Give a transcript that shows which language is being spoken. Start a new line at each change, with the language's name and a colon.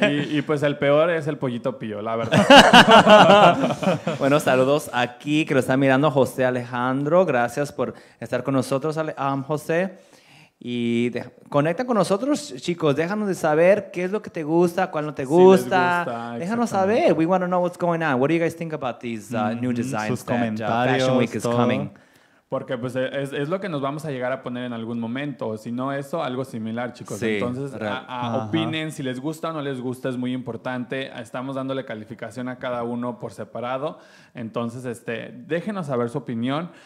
Spanish: Y pues el peor es el pollito pío, la verdad. Bueno, saludos aquí, que lo está mirando José Alejandro. Gracias por estar con nosotros, José. Y conecta con nosotros, chicos. Déjanos de saber qué es lo que te gusta, cuál no te gusta. Sí, les gusta. Déjanos saber.
English: We want to know what's going on. What do you guys think about these new designs?
Spanish: Sus comentarios.
English: Fashion Week is coming.
Spanish: Porque pues es lo que nos vamos a llegar a poner en algún momento. Si no eso, algo similar, chicos. Sí, entonces, opinen si les gusta o no les gusta. Es muy importante. Estamos dándole calificación a cada uno por separado. Entonces, déjenos saber su opinión.